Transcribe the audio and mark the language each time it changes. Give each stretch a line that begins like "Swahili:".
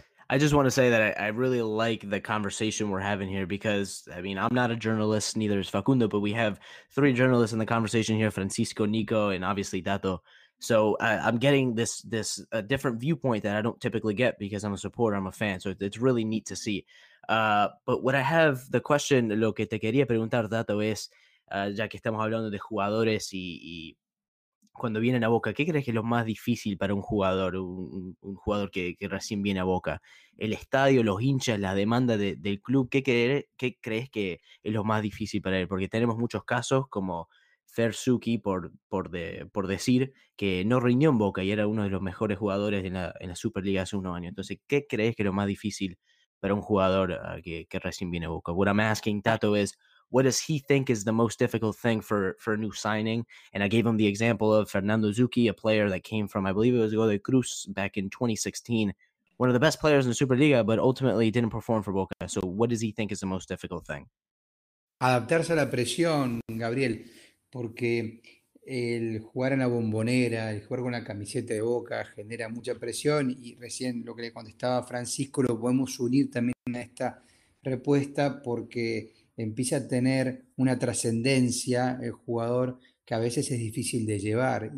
English: I just want to say that I really like the conversation we're having here because, I mean, I'm not a journalist, neither is Facundo, but we have three journalists in the conversation here, Francisco, Nico, and obviously Dato. So I'm getting this different viewpoint that I don't typically get because I'm a supporter, I'm a fan, so it's really neat to see. But what I have, the question,
Spanish: lo que te quería preguntar, Dato, es, ya que estamos hablando de jugadores y cuando vienen a Boca, ¿qué crees que es lo más difícil para un jugador, un jugador que recién viene a Boca? ¿El estadio, los hinchas, la demanda del club? ¿Qué crees que es lo más difícil para él? Porque tenemos muchos casos, como Fer Suki, por decir, que no rindió en Boca y era uno de los mejores jugadores en la Superliga hace unos años. Entonces, ¿qué crees que es lo más difícil para un jugador que recién viene a Boca?
English: What I'm asking, Tato, is what does he think is the most difficult thing for a new signing? And I gave him the example of Fernando Zucchi, a player that came from, I believe it was Godoy Cruz back in 2016. One of the best players in the Superliga, but ultimately didn't perform for Boca. So what does he think is the most difficult thing?
Spanish: Adaptarse a la presión, Gabriel, porque el jugar en la bombonera, el jugar con la camiseta de Boca genera mucha presión, y recién lo que le contestaba Francisco lo podemos unir también a esta respuesta porque empieza a tener una trascendencia el jugador que a veces es difícil de llevar.